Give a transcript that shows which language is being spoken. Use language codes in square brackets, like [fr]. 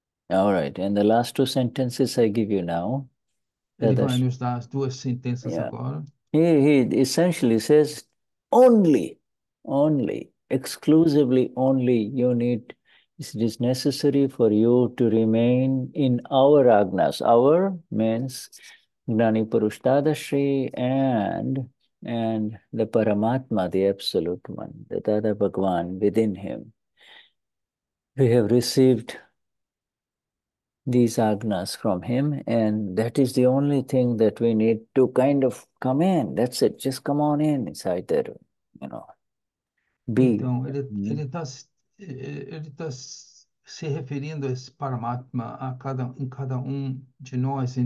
[en] all right, and the last two sentences I give you now, [pt] Ele vai nos dar as duas sentenças agora. [en] He essentially says only, exclusively only you need It is necessary for you to remain in our Agnas. Our means Gnani Purush Dadashri and the Paramatma, the Absolute One, the Dada Bhagwan within him. We have received these Agnas from him, and that is the only thing that we need to kind of come in. That's it. Just come on in. It's either, be. [pt] Então, ele tá se referindo a esse Paramatma em cada um de nós.